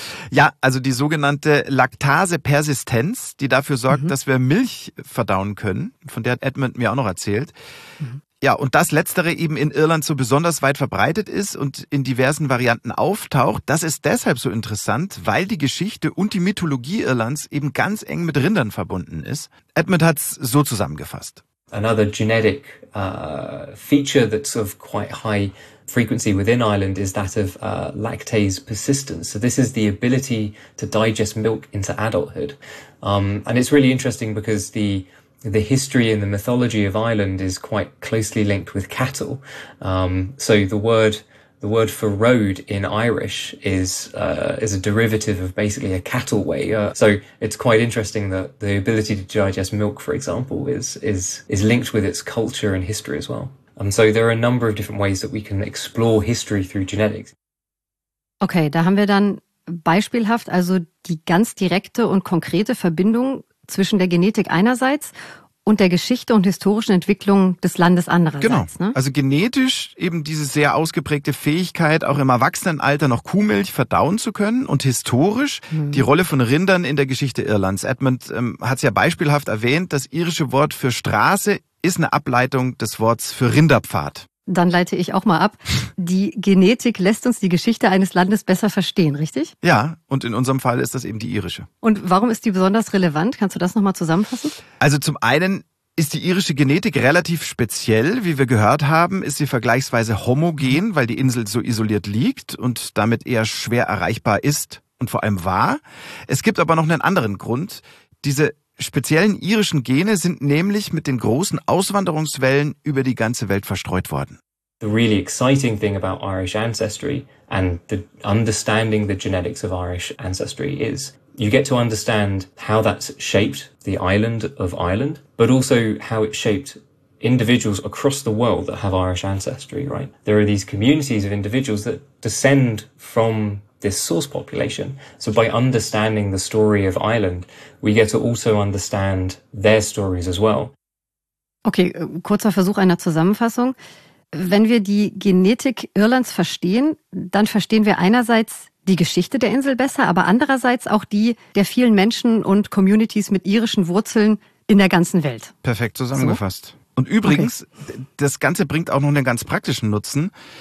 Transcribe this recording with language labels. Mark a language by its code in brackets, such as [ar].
[de] Ja, also die sogenannte Laktasepersistenz, die dafür sorgt, dass wir Milch verdauen können, von der hat Edmund mir auch noch erzählt. Ja, und das Letztere eben in Irland so besonders weit verbreitet ist und in diversen Varianten auftaucht, das ist deshalb so interessant, weil die Geschichte und die Mythologie Irlands eben ganz eng mit Rindern verbunden ist. Edmund hat's so zusammengefasst. [en] Another genetic feature that's of quite high frequency within Ireland is that of lactase persistence. So this is the ability to digest milk into adulthood. And it's really interesting because the history and the mythology of Ireland is quite closely linked with cattle. So the word for road in Irish is a derivative of basically a cattle way. So it's quite interesting that the ability to digest milk, for example, is linked with its culture and history as well. And so there are a number of different ways that we can explore history through genetics. [de] Okay, da haben wir dann beispielhaft also die ganz direkte und konkrete Verbindung zwischen der Genetik einerseits und der Geschichte und historischen Entwicklung des Landes andererseits. Genau. Ne? Also genetisch eben diese sehr ausgeprägte Fähigkeit, auch im Erwachsenenalter noch Kuhmilch verdauen zu können und historisch die Rolle von Rindern in der Geschichte Irlands. Edmund hat es ja beispielhaft erwähnt, das irische Wort für Straße ist eine Ableitung des Wortes für Rinderpfad. Dann leite ich auch mal ab. Die Genetik lässt uns die Geschichte eines Landes besser verstehen, richtig? Ja, und in unserem Fall ist das eben die irische. Und warum ist die besonders relevant? Kannst du das nochmal zusammenfassen? Also zum einen ist die irische Genetik relativ speziell. Wie wir gehört haben, ist sie vergleichsweise homogen, weil die Insel so isoliert liegt und damit eher schwer erreichbar ist und vor allem war. Es gibt aber noch einen anderen Grund. Diese speziellen irischen Gene sind nämlich mit den großen Auswanderungswellen über die ganze Welt verstreut worden. [en] The really exciting thing about Irish ancestry and the understanding the genetics of Irish ancestry is you get to understand how that's shaped the island of Ireland, but also how it shaped individuals across the world that have Irish ancestry, right? There are these communities of individuals that descend from this source population. So by understanding the story of Ireland, we get to also understand their stories as well. [de] Okay, kurzer Versuch einer Zusammenfassung. Wenn wir die Genetik Irlands verstehen, dann verstehen wir einerseits die Geschichte der Insel besser, aber andererseits auch die der vielen Menschen und Communities mit irischen Wurzeln in der ganzen Welt. Perfekt zusammengefasst. So? Und übrigens, das Ganze bringt auch noch einen ganz praktischen Nutzen.